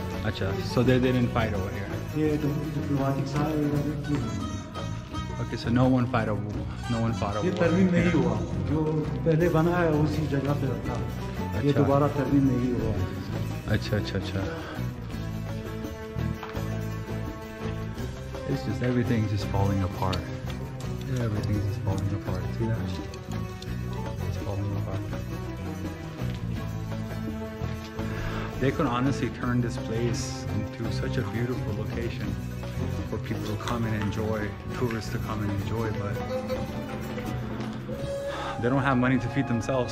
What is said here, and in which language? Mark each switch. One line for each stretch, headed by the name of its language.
English: अच्छा so they didn't fight over here Okay, so no one fought a war.
Hindi: तर्मीन नहीं हुआ जो पहले बना है उसी जगह पे रखा ये दोबारा तर्मीन नहीं हुआ
English: अच्छा अच्छा अच्छा It's just everything's just falling apart. Everything's just falling apart. See that? It's falling apart. They could honestly turn this place into such a beautiful location for people to come and enjoy, tourists to come and enjoy, but they don't have money to feed themselves.